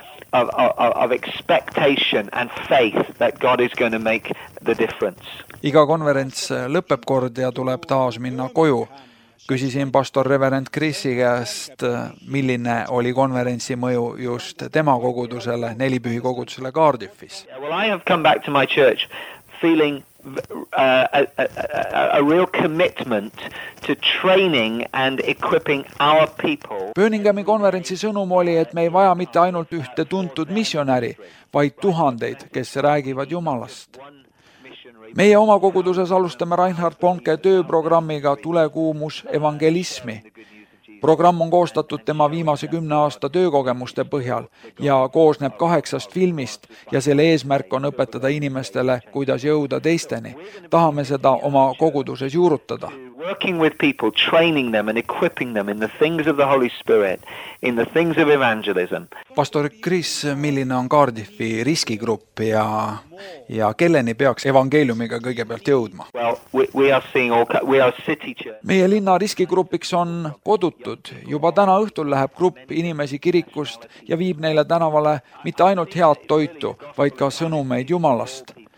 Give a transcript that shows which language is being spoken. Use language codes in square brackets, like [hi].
[en] Of expectation and faith that God is going to make the difference. [et] Iga konverents lõpeb kord ja tuleb taas minna koju. Küsisin pastor reverend Chrisi käest, milline oli konverentsi mõju just tema kogudusele, nelipühi kogudusele Cardiffis. [en] Well, I have come back to my church feeling a real commitment to training and equipping our people. [et] Birminghami konverentsi sõnum oli, et me ei vaja mitte ainult ühte tuntud missionäri, vaid tuhandeid, kes räägivad Jumalast. Meie oma koguduses alustame Reinhard Bonnke tööprogrammiga Tulekuumus evangelismi. Programm on koostatud tema viimase 10 aasta töökogemuste põhjal ja koosneb 8 filmist ja selle eesmärk on õpetada inimestele, kuidas jõuda teisteni. Tahame seda oma koguduses juurutada. [en] Working with people, training them and equipping them in the things of the Holy Spirit, in the things of evangelism. [et] Pastor Chris, milline on Cardiffi riskigrupp ja kelleni peaks evangeeliumiga kõigepealt jõudma? [en] Well, we are city church. [et] Meie linna riskigrupiks on kodutud. Juba täna õhtul läheb grupp inimesi kirikust ja viib neile tänavale mitte ainult head toitu, vaid ka sõnumeid Jumalast.